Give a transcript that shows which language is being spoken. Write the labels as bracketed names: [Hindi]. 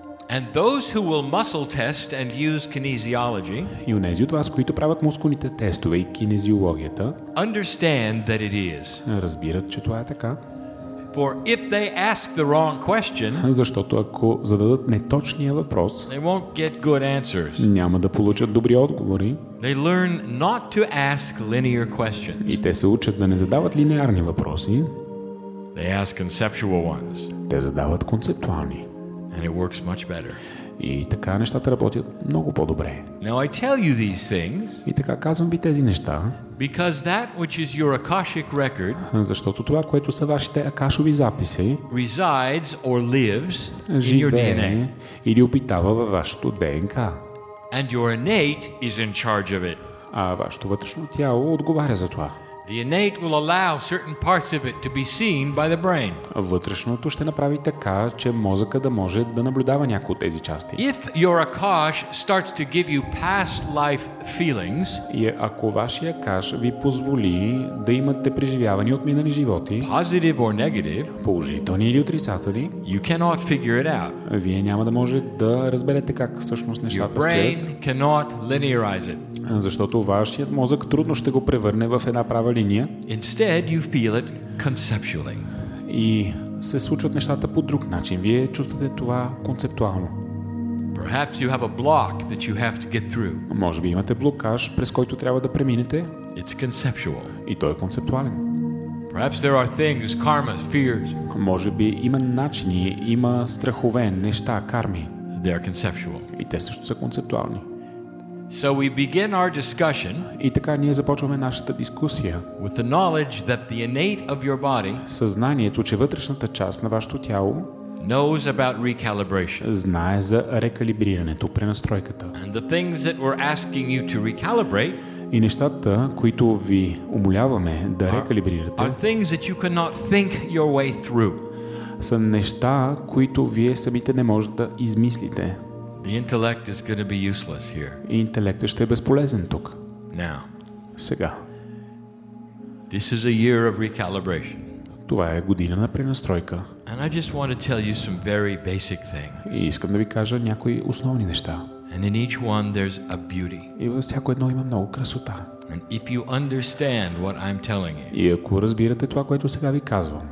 [English] And those who will muscle test and use kinesiology, [Bulgarian] и онези от вас, които правят мускулните тестове и кинезиологията, [English] understand that it is. [Bulgarian] Разбират, че това е така. [English] For if they ask the wrong question, [Bulgarian] защото ако зададат неточния въпрос, [English] they won't get good answers. [Bulgarian] Няма да получат добри отговори. [English] They learn not to ask linear questions. [Bulgarian] И те се учат да не задават линеарни въпроси. [English] They ask conceptual ones. [Bulgarian] Те задават концептуални. [English] And it works much better. [Bulgarian] И така нещата работят много по-добре. [English] Now I tell you these things. [Bulgarian] И така казвам ви тези неща. [English] Because that which is your akashic record, [Bulgarian] защото това, което са вашите акашови записи, [English] resides or lives in your DNA. [Bulgarian] Или обитава във вашето ДНК. [English] And your innate is in charge of it. [Bulgarian] А вашето вътрешно тяло отговаря за това. [English] The innate will allow certain parts of it to be seen by the brain. [Bulgarian] Вътрешното ще направи така, че мозъка да може да наблюдава някои от тези части. [English] If your akash starts to give you past life feelings, [Bulgarian] и ако вашия акаш ви позволи да имате преживявания от минали животи, [English] positive or negative, [Bulgarian] положителни или отрицателни, [English] you cannot figure it out. [Bulgarian] Вие няма да може да разберете как всъщност нещата стоят. [English] Your brain cannot linearize it. [Bulgarian] Защото вашият мозък трудно ще го превърне в една права линия. [English] Instead, you feel it conceptually. [Bulgarian] И се случват нещата по друг начин. Вие чувствате това концептуално. [English] Perhaps you have a block that you have to get through. [Bulgarian] Може би имате блокаж, през който трябва да преминете. [English] It's conceptual. [Bulgarian] И той е концептуален. [English] Perhaps there are things, karma, fears. [Bulgarian] Може би има начини, има страхове, неща, карми. [English] They are conceptual. [Bulgarian] И те също са концептуални. [English] So we begin our discussion. [Bulgarian] И така ние започваме нашата дискусия. [English] With the knowledge that the innate of your body, [Bulgarian] съзнанието, че вътрешната част на вашето тяло, [English] knows about recalibration. [Bulgarian] Знае за рекалибрирането, пренастройката. [English] And the things that we're asking you to recalibrate, [Bulgarian] и нещата, които ви умоляваме да рекалибрирате, [English] are things that you cannot think your way through. [Bulgarian] Са неща, които вие самите не можете да измислите. [English] The intellect is going to be useless here. [Bulgarian] Интелектът ще е безполезен тук. [English] Now. [Bulgarian] Сега. [English] This is a year of recalibration. [Bulgarian] Това е година на пренастройка. [English] And I just want to tell you some very basic things. [Bulgarian] И искам да ви кажа някои основни неща. [English] And in each one there's a beauty. [Bulgarian] И във всяко едно има много красота. [English] And if you understand what I'm telling you, [Bulgarian] и ако разбирате това, което сега ви казвам,